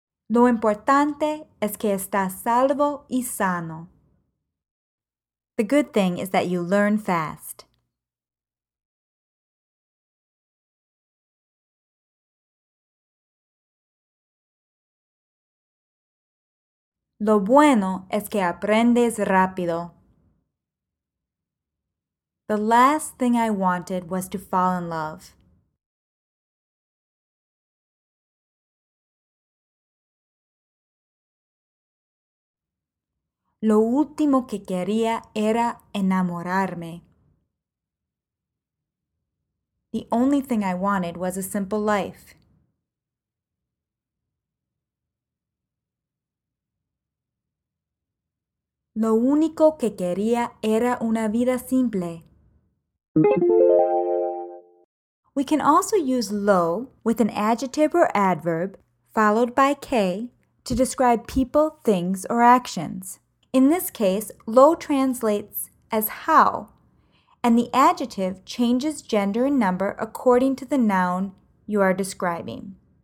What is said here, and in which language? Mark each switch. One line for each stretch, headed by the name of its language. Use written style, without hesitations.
Spanish: Lo importante es que estás salvo y sano.
English: The good thing is that you learn fast.
Spanish: Lo bueno es que aprendes rápido.
English: The last thing I wanted was to fall in love.
Spanish: Lo último que quería era enamorarme.
English: The only thing I wanted was a simple life.
Spanish: Lo único que quería era una vida simple.
English: We can also use lo with an adjective or adverb followed by ke to describe people, things, or actions. In this case, lo translates as how, and the adjective changes gender and number according to the noun you are describing.